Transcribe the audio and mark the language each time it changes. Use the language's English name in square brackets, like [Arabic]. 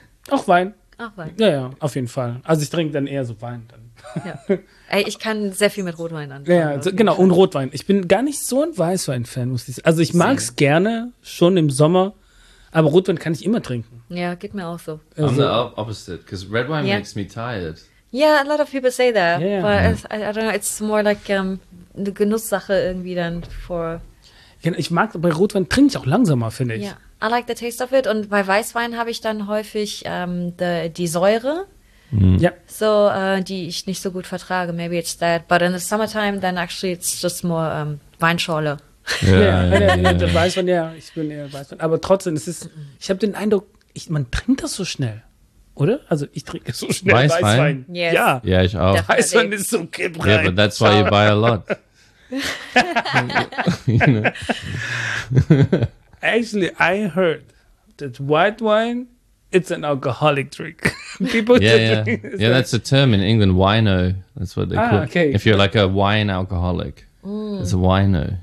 [German] Auch Wein. Ach, Wein. Ja, ja, auf jeden Fall. Also ich trinke dann eher so Wein. Dann. Ja. Ey, ich kann sehr viel mit Rotwein anfangen. Ja, so, genau, und Rotwein. Ich bin gar nicht so ein Weißwein-Fan, muss ich sagen. Also ich mag es gerne, schon im Sommer, aber Rotwein kann ich immer trinken. Ja, geht mir auch so. [English] I'm the opposite, because red wine yeah. makes me tired. Yeah, a lot of people say that. Yeah. But I don't know, it's more like [German] eine Genusssache irgendwie dann vor. Ich mag, bei Rotwein trinke ich auch langsamer, finde ich. Yeah. [English] I like the taste of it. [German] Und bei Weißwein habe ich dann häufig die Säure. [English] Yeah. [German] So, die ich nicht so gut vertrage. [English] Maybe it's that. But in the summertime, then actually it's just more Weinschorle. [German] Ja, ich bin eher Weißwein. Aber trotzdem, es ist, ich habe den Eindruck, man trinkt das so schnell. Oder? Also ich trinke so schnell Weißwein. Yes. Ja. Ja, ich auch. Weißwein ist so kipprig. [English] Yeah, but that's why you buy a lot. Actually, I heard that white wine, it's an alcoholic drink. People yeah, yeah. Drink. Yeah, that's a term in England, wino. That's what they call it. Okay. If you're like a wine alcoholic, it's a wino.